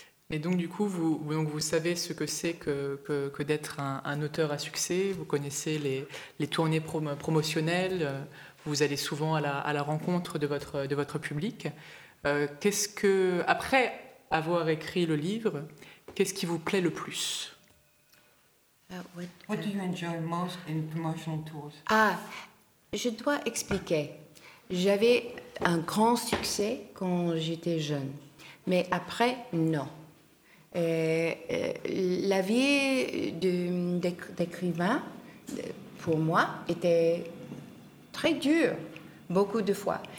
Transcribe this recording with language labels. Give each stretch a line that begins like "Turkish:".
French: Et donc, du coup, vous savez ce que c'est que d'être un auteur à succès. Vous connaissez les tournées promotionnelles. Vous allez souvent à la rencontre de votre public. Après avoir écrit le livre, qu'est-ce qui vous plaît le plus?
English: What do you enjoy most in promotional tours?
French: Ah, je dois expliquer. J'avais un grand succès quand j'étais jeune, mais après, non. La vie d'écrivain, pour moi, était très dure, beaucoup de fois.